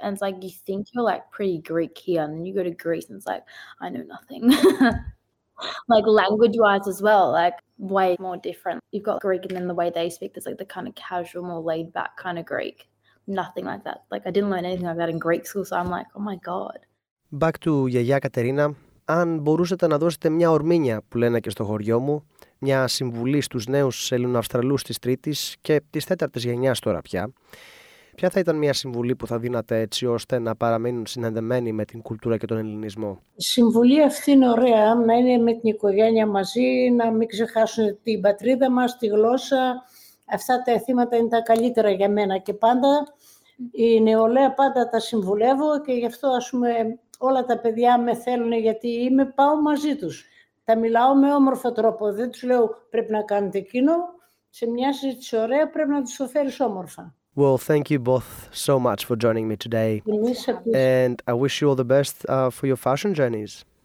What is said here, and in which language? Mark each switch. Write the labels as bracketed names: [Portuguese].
[English] And it's like you think you're like pretty Greek here. And then you go to Greece and it's like, I know nothing. Like language-wise as well, like way more different. You've got Greek and then the way they speak, there's like the kind of casual, more laid-back kind of Greek. Nothing like that. Like I didn't learn anything like that in Greek school, so I'm like, oh my God. Back to [Greek] γιαγιά Κατερίνα. Αν μπορούσατε να δώσετε μια ορμήνια, που λένε και στο χωριό μου, μια συμβουλή στους νέους Ελληνοαυστραλούς της τρίτης και της τέταρτης γενιάς τώρα πια, ποια θα ήταν μια συμβουλή που θα δίνατε έτσι ώστε να παραμείνουν συνδεδεμένοι με την κουλτούρα και τον ελληνισμό? Η συμβουλή αυτή είναι ωραία, να είναι με την οικογένεια μαζί, να μην ξεχάσουν την πατρίδα μας, τη γλώσσα. Αυτά τα αιθήματα είναι τα καλύτερα για μένα και πάντα. Η νεολαία πάντα τα συμβουλεύω και γι' αυτό ας πούμε όλα τα παιδιά με θέλουν γιατί είμαι, πάω μαζί τους. Τα μιλάω με όμορφο τρόπο, δεν τους λέω πρέπει να κάνετε εκείνο. Σε μια συζήτηση ωραία πρέπει να τους το φέρεις όμορφα. [English] Well, thank you both so much for joining me today. And I wish you all the best for your fashion journeys.